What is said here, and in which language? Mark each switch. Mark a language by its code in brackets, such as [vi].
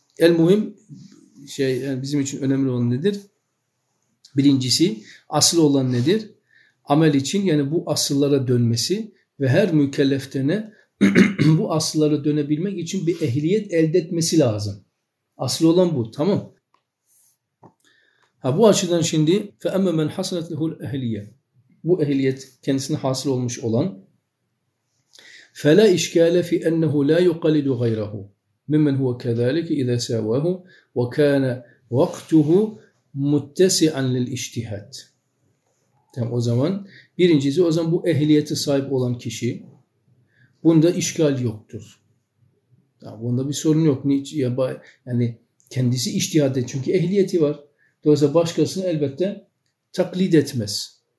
[tr] El muhim şey, yani bizim için önemli olan nedir? Birincisi asıl olan nedir? Amel için, yani bu asıllara dönmesi ve her mükelleftene bu asıllara dönebilmek için bir ehliyet elde etmesi lazım. Asıl olan bu, tamam. Ha, bu açıdan şimdi [ar] فَأَمَّ مَنْ حَسَنَتْ لِهُ الْاَهْلِيَةِ. [tr] Bu ehliyet kendisine hasıl olmuş olan [ar] فَلَا اِشْكَالَ فِي أَنَّهُ لَا يُقَلِدُ غَيْرَهُ مِمَّنْ هُوَ كَذَٰلِكِ اِذَا سَوَاهُ وَكَانَ وَقْتُهُ مُتَّسِعًا لِلْاِشْتِهَاتِ. [tr] Tamam, o zaman birincisi, o zaman bu ehliyete sahip olan kişi, bunda işgal yoktur. Tamam, bunda bir sorun yok. Yani kendisi içtihad et. Çünkü ehliyeti var. Dolayısıyla başkasını elbette taklit etmez.